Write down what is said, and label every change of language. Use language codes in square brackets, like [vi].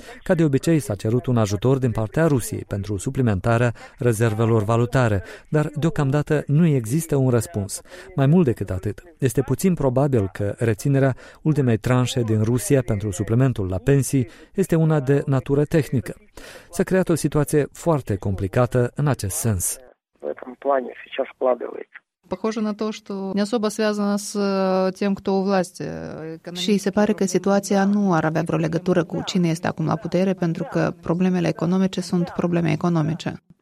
[ro] Ca de obicei, s-a cerut un ajutor din partea Rusiei pentru suplimentarea rezervelor valutare, dar deocamdată nu există un răspuns. Mai mult decât atât, este puțin probabil că reținerea ultimei tranșe din Rusia pentru suplimentul la pensii este una de natură tehnică. S-a creat o situație foarte complicată în acest sens. [ru] В этом плане сейчас складывается. Похоже на то, что не особо связано с тем, кто у власти. [ro] Și se pare că situația nu ar avea vreo legătură cu cine este acum la putere, pentru că problemele economice sunt probleme economice.